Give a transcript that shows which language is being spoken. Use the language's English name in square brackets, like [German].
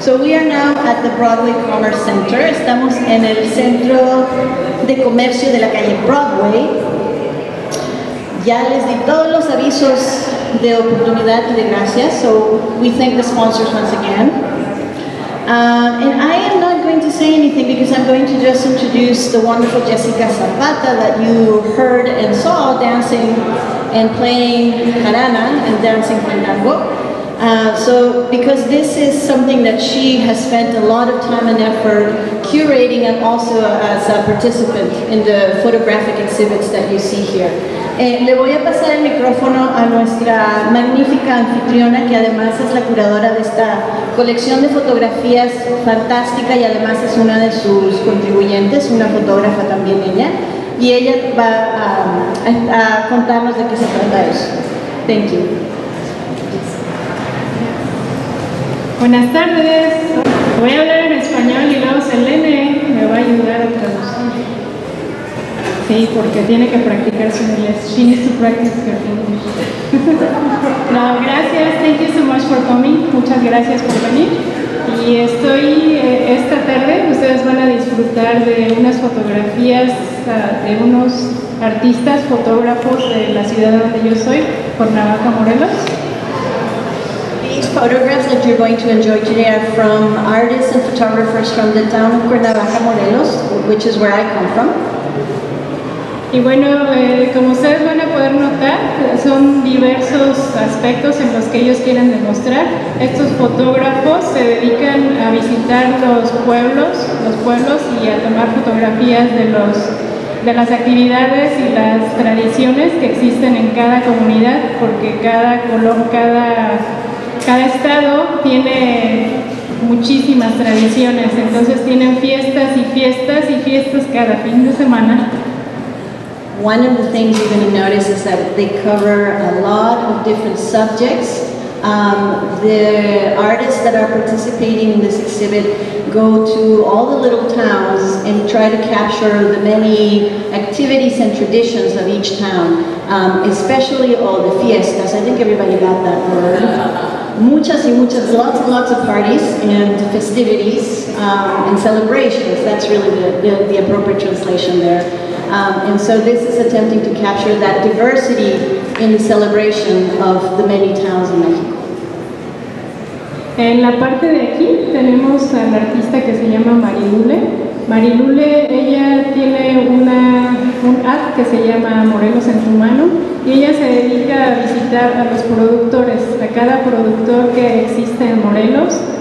[English] So we are now at the Broadway Commerce Center. [Spanish] Estamos en el Centro de Comercio de la calle Broadway. Ya les di todos los avisos de oportunidad y de gracias, [English] so we thank the sponsors once again. And I am not going to say anything because I'm going to just introduce the wonderful Jessica Zapata that you heard and saw dancing and playing jarana and dancing fandango. So, because this is something that she has spent a lot of time and effort curating and also as a participant in the photographic exhibits that you see here. [Spanish] Le voy a pasar el micrófono a nuestra magnífica anfitriona que además es la curadora de esta colección de fotografías fantástica y además es una de sus contribuyentes, una fotógrafa también ella. Y ella va a contarnos de qué se trata eso. [English] Thank you. [Spanish] Buenas tardes, voy a hablar en español y luego Selene me va a ayudar a traducir. Sí, porque tiene que practicar su inglés. [English] She needs to practice her English. [Spanish] No, gracias, [English] thank you so much for coming, [Spanish] muchas gracias por venir. Y estoy esta tarde, ustedes van a disfrutar de unas fotografías de unos artistas, fotógrafos de la ciudad donde yo soy, Cuernavaca, Morelos. [English] Photographs that you're going to enjoy today are from artists and photographers from the town of Cuernavaca, Morelos, which is where I come from. [Spanish] Y bueno, como ustedes van a poder notar, son diversos aspectos en los que ellos quieren demostrar. Estos fotógrafos se dedican a visitar los pueblos y a tomar fotografías de las actividades y las tradiciones que existen en cada comunidad, porque cada color, cada estado tiene muchísimas tradiciones, entonces tienen fiestas y fiestas y fiestas cada fin de semana. [English] One of the things you're going to notice is that they cover a lot of different subjects. The artists that are participating in this exhibit go to all the little towns and try to capture the many activities and traditions of each town, especially all the fiestas. I think everybody got that word. [Spanish] Muchas y muchas, [English] lots and lots of parties and festivities and celebrations. That's really the appropriate translation there. And so this is attempting to capture that diversity in the celebration of the many towns in Mexico. [Spanish] En la parte de aquí tenemos a la artista que se llama Marilule. Marilule, ella tiene una un app que se llama Morelos en tu mano, y ella se dedica a visitar a los productores, a cada productor que existe en Morelos.